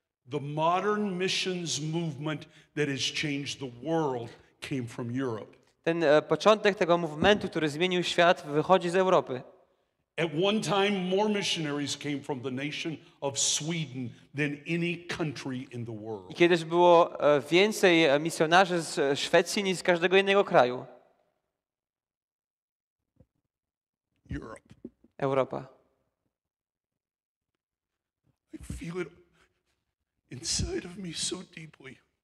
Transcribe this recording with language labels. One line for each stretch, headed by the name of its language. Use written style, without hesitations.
English: The modern missions movement that has changed the world came from Europe.
Polish: Ten początek tego movementu, który zmienił świat, wychodzi z Europy.
English: At one time, more missionaries came from the nation of Sweden than any country in the world.
Polish: I kiedyś było więcej misjonarzy z Szwecji niż z każdego innego kraju.
English: Europe.
Polish: Europa.
English: I feel it inside of me so deeply.